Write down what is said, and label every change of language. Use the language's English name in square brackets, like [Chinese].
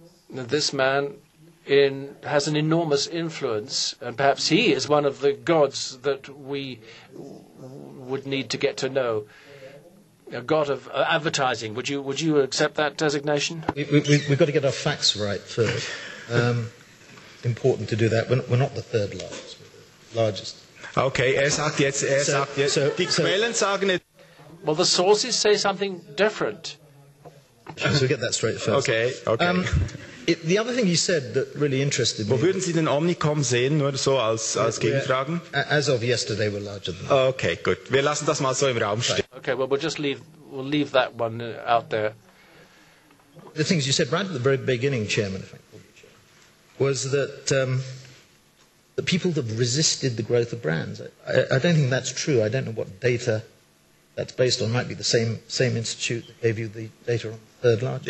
[English] This man has an enormous influence, and perhaps he is one of the gods that we would need to get to know. A god of advertising. Would you accept that designation? We've got to get our facts right first. Important to do that. We're not the third largest. [German] Okay, er sagt jetzt, die Quellen sagen jetzt. [English] Well, the sources say something different. So we get that straight first. Okay, okay. The other thing he said that really interested me. [German] Wo würden Sie den Omnicom sehen, nur so als Gegenfragen? [English] As of yesterday, we're larger than that. Okay, good. [German] Wir lassen das mal so im Raum stehen. [English] Okay, well, we'll leave that one out there. The things you said right at the very beginning, Chairman, if I call you Chairman, was that the people that resisted the growth of brands, I don't think that's true. I don't know what data that's based on. It might be the same institute that gave you the data on the third largest.